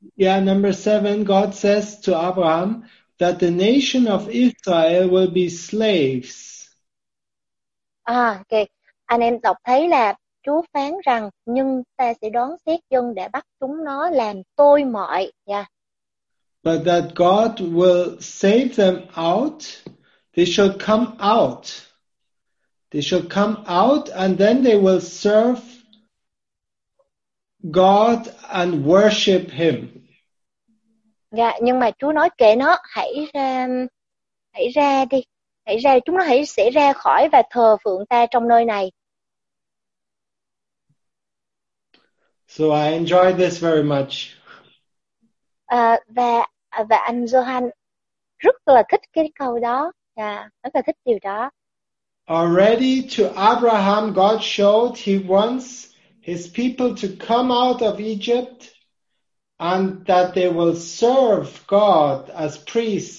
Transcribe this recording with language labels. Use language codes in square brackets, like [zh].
[en] Yeah, number 7, God says to Abraham that the nation of Israel will be slaves. Ok. [vi] Anh em đọc thấy là Chúa phán rằng nhưng ta sẽ đón xét dân để bắt chúng nó làm tôi mọi. [en] Yeah. But that God will save them out. They shall come out. They shall come out and then they will serve God and worship him. [vi] Dạ, yeah, nhưng mà Chúa nói kệ nó, hãy ra đi. Hãy ra, chúng nó hãy sẽ ra khỏi và thờ phượng ta trong nơi này. [en] So I enjoy this very much. [vi] Và anh Johan rất là thích cái câu đó. Yeah, rất là thích điều đó. [en] Already to Abraham, God showed he wants his people to come out of Egypt and that they will serve God as priests.